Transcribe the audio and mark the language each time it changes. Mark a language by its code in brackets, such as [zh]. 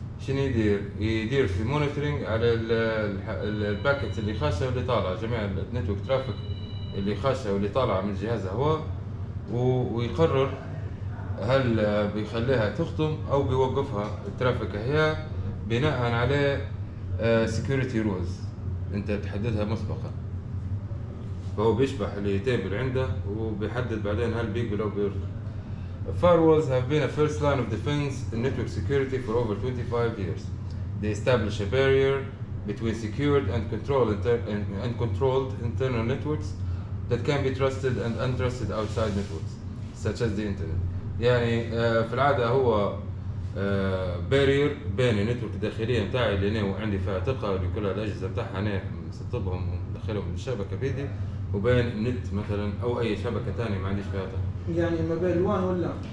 [ar] شنو يدير؟ يدير في مونيتورينج على الباكيت اللي خاشه واللي طالعه، جميع النتورك ترافيك اللي خاشه واللي طالعه من جهاز هو، ويقرر هل بيخليها تخطم او بيوقفها الترافيك هي بناء على سكيورتي رولز انت تحددها مسبقا. فهو بيشبح التيبل عنده وبيحدد بعدين هل بيقبل او بيرفض. [en] Firewalls have been a first line of defense in network security for over 25 years. They establish a barrier between secured and controlled internal networks that can be trusted and untrusted outside networks such as the internet. [ar] يعني في العاده هو barrier بين النتورك الداخليه نتاعي اللي انا وعندي فيها تقارير كل الاجهزه نتاعها انا مسطبهم ومدخلهم للشبكه بيدي، وبين النت مثلا او اي شبكه ثانيه ما عنديش فيها تقارير. يعني ما بين الوان ولا؟